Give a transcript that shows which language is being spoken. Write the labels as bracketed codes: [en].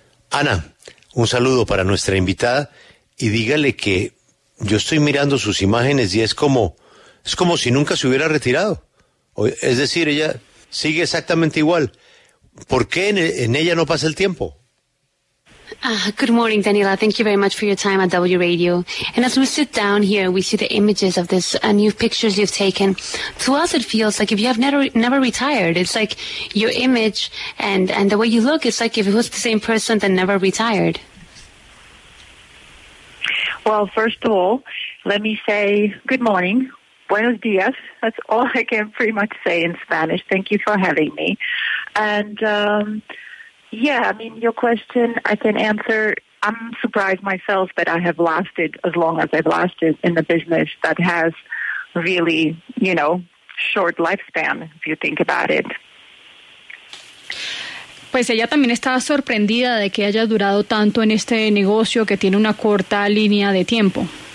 [es] Ana, un saludo para nuestra invitada, y dígale que yo estoy mirando sus imágenes y es como si nunca se hubiera retirado. Es decir, ella sigue exactamente igual. ¿Por qué en ella no pasa el tiempo? [en] Good morning, Daniela. Thank you very much for your time at W Radio. And as we sit down here, we see the images of this new pictures you've taken. To us, it feels like if you have never retired. It's like your image and the way you look, it's like if it was the same person that never retired. Well, first of all, let me say good morning. [es] Buenos dias. [en] That's all I can pretty much say in Spanish. Thank you for having me. And your question I can answer. I'm surprised myself that I have lasted as long as I've lasted in a business that has really, you know, short lifespan, if you think about it. [es] Pues ella también estaba sorprendida de que haya durado tanto en este negocio que tiene una corta línea de tiempo.